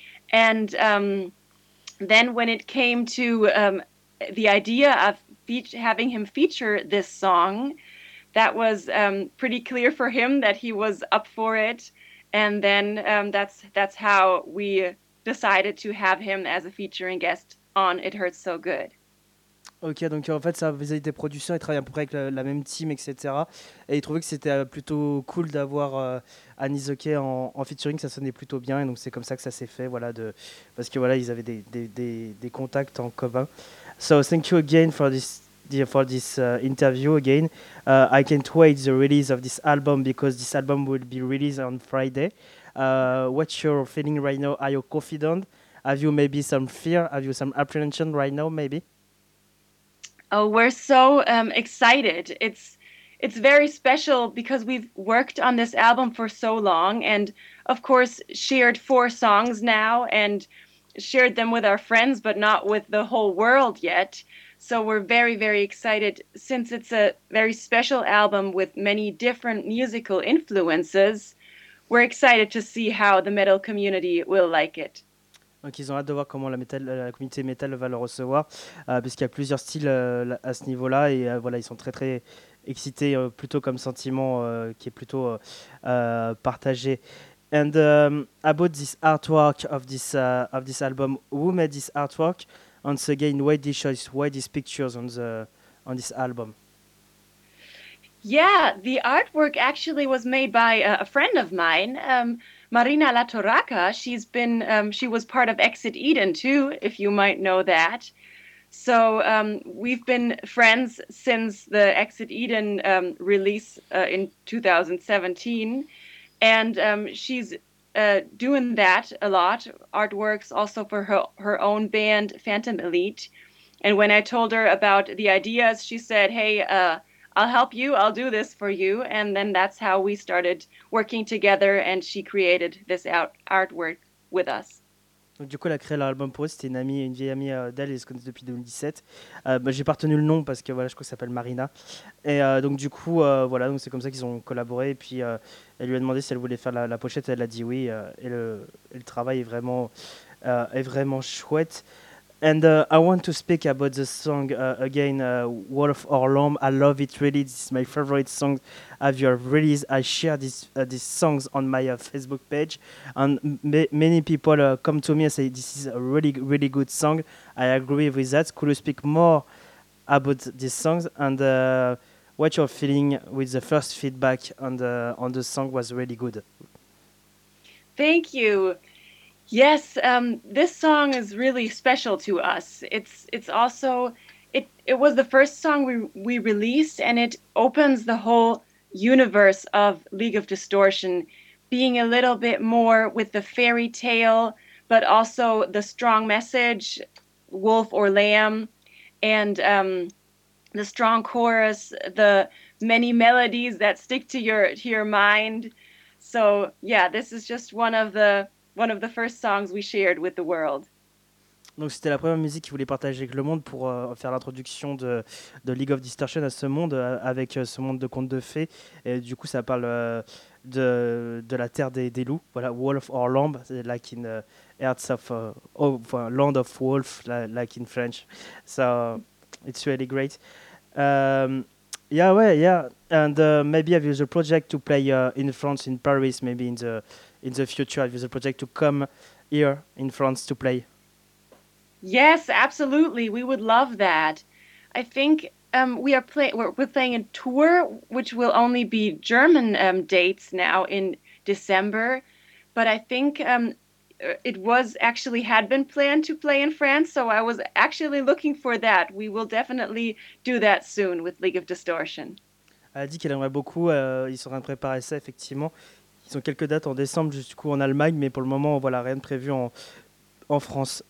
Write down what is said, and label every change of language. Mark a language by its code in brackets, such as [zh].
[en] And then when it came to the idea of having him feature this song, that was pretty clear for him that he was up for it. And then that's how we decided to have him as a featuring guest on It Hurts So Good. [fr] Ok, donc en fait, ça vis-à-vis des producteurs, ils travaillent à peu près avec la même team, etc. Et ils trouvaient que c'était plutôt cool d'avoir Annie Zoké en featuring, ça sonnait plutôt bien. Et donc c'est comme ça que ça s'est fait, voilà, parce que voilà, ils avaient des contacts en commun. [en] So thank you again for this interview again. I can't wait the release of this album because this album will be released on Friday. What's your feeling right now? Are you confident? Have you maybe some fear? Have you some apprehension right now, maybe? Oh, we're so excited. It's very special because we've worked on this album for so long and, of course, shared four songs now and shared them with our friends, but not with the whole world yet. So we're very, very excited since it's a very special album with many different musical influences. We're excited to see how the metal community will like it. [fr] Donc ils ont hâte de voir comment la communauté métal va le recevoir, puisqu'il y a plusieurs styles à ce niveau-là, et voilà, ils sont très très excités, plutôt comme sentiment qui est plutôt partagé. [en] And about this artwork of this album, who made this artwork? Once again, why this choice, why these pictures on this album? Yeah, the artwork actually was made by a friend of mine, Marina Latorraca. She was part of Exit Eden too, if you might know that. So we've been friends since the Exit Eden release in 2017. And she's doing that a lot, artworks also for her own band, Phantom Elite. And when I told her about the ideas, she said, hey, I'll help you, I'll do this for you. And then that's how we started working together and she created this artwork with us. [fr] Donc, du coup, elle a créé l'album pour eux. C'était une amie, une vieille amie d'elle, ils se connaissent depuis 2017. J'ai pas retenu le nom parce que voilà, je crois que ça s'appelle Marina. Et donc du coup, voilà, donc c'est comme ça qu'ils ont collaboré. Et puis elle lui a demandé si elle voulait faire la pochette, elle a dit oui. Et le travail est vraiment chouette. [en] And I want to speak about the song again, Wolf or Lamb. I love it really. This is my favorite song of your release. I share these songs on my Facebook page. And many people come to me and say, this is a really, really good song. I agree with that. Could you speak more about these songs? And what's your feeling with the first feedback on the song was really good. Thank you. Yes, this song is really special to us. It was the first song we released, and it opens the whole universe of League of Distortion, being a little bit more with the fairy tale, but also the strong message, wolf or lamb, and the strong chorus, the many melodies that stick to your mind. So yeah, this is just one of the first songs we shared with the world. [fr] Donc c'était la première musique qu'il voulait partager avec le monde pour faire l'introduction de League of Distortion à ce monde, avec ce monde de contes de fées. Et du coup, ça parle de la terre des loups. [en] Voilà, Wolf or Lamb, like in Earth of, Land of Wolf, like in French. So it's really great. And maybe I've used a project to play in France, in Paris, maybe in the future. I've used a project to come here in France to play. Yes, absolutely. We would love that. I think we're playing a tour, which will only be German dates now in December. But I think it was actually had been planned to play in France. So I was actually looking for that. We will definitely do that soon with League of Distortion. [fr] Elle a dit qu'elle aimerait beaucoup. Ils sont en train de préparer ça, effectivement. Ils ont quelques dates en décembre, du coup, en Allemagne. Mais pour le moment, voilà, rien de prévu en France.